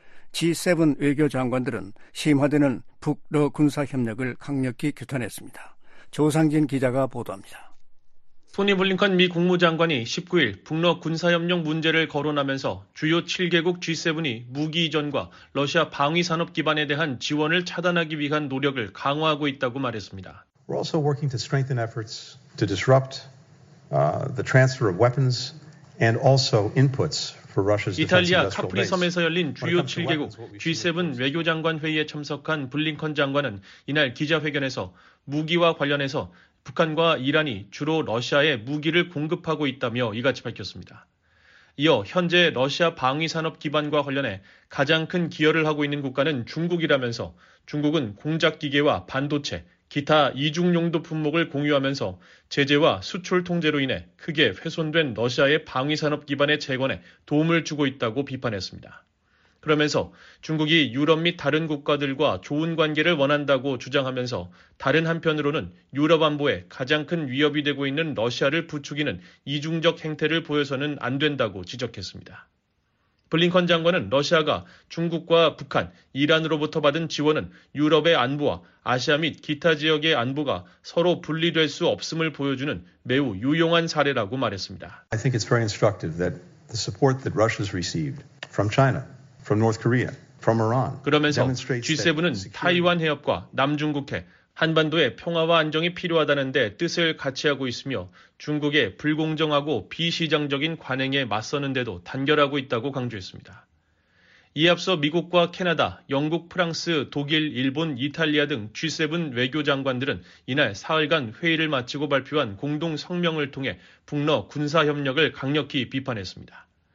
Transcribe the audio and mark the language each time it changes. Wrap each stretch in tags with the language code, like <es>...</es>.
<ko>G7 외교장관들은 심화되는 북러 군사협력을 강력히 규탄했습니다. 조상진 기자가 보도합니다. 토니 블링컨 미 국무장관이 19일 북러 군사협력 문제를 거론하면서 주요 7개국 G7이 무기 이전과 러시아 방위 산업 기반에 대한 지원을 차단하기 위한 노력을 강화하고 있다고 말했습니다.</ko> <en>We're also working to strengthen efforts to disrupt the transfer of weapons and also inputs.</en> <ko>이탈리아 카프리 섬에서 열린 주요 7개국 G7 외교장관 회의에 참석한 블링컨 장관은 이날 기자회견에서 무기와 관련해서 북한과 이란이 주로 러시아에 무기를 공급하고 있다며 이같이 밝혔습니다. 이어 현재 러시아 방위산업 기반과 관련해 가장 큰 기여를 하고 있는 국가는 중국이라면서 중국은 공작기계와 반도체, 기타 이중용도 품목을 공유하면서 제재와 수출 통제로 인해 크게 훼손된 러시아의 방위산업 기반의 재건에 도움을 주고 있다고 비판했습니다. 그러면서 중국이 유럽 및 다른 국가들과 좋은 관계를 원한다고 주장하면서 다른 한편으로는 유럽 안보에 가장 큰 위협이 되고 있는 러시아를 부추기는 이중적 행태를 보여서는 안 된다고 지적했습니다. 블링컨 장관은 러시아가 중국과 북한, 이란으로부터 받은 지원은 유럽의 안보와 아시아 및 기타 지역의 안보가 서로 분리될 수 없음을 보여주는 매우 유용한 사례라고 말했습니다.</ko> <en>I think it's very instructive that the support that Russia's received from China, from North Korea, from Iran.</en> <ko>그러면서 G7은 타이완 해협과 남중국해, 한반도의 평화와 안정이 필요하다는데 뜻을 같이 하고 있으며 중국의 불공정하고 비시장적인 관행에 맞서는데도 단결하고 있다고 강조했습니다. 이에 앞서 미국과 캐나다, 영국, 프랑스, 독일, 일본, 이탈리아 등 G7 외교장관들은 이날 사흘간 회의를 마치고 발표한 공동 성명을 통해 북러 군사협력을 강력히 비판했습니다.</ko>